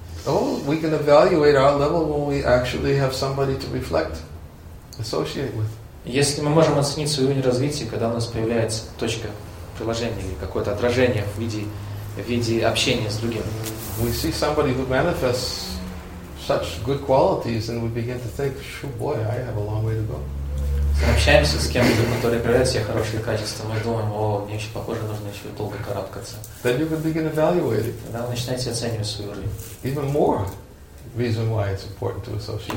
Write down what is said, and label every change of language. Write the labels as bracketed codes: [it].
[en] Oh, we can evaluate our level when we actually have somebody to reflect, associate with. [ru] Если мы можем оценить свой уровень развития, когда у нас появляется точка приложения или какое-то отражение в виде общения с другим. [en] We see somebody who manifests such good qualities, and we begin to think, "Shoo, boy, I have a long way to go." [ru] Сообщаемся с кем-то, который проявляет все хорошие качества, мы думаем, о, мне еще похоже, нужно еще долго карабкаться. [en] Then you can begin evaluating. [ru] Тогда вы начинаете оценивать свой уровень. [en] Even more reason why it's important to associate.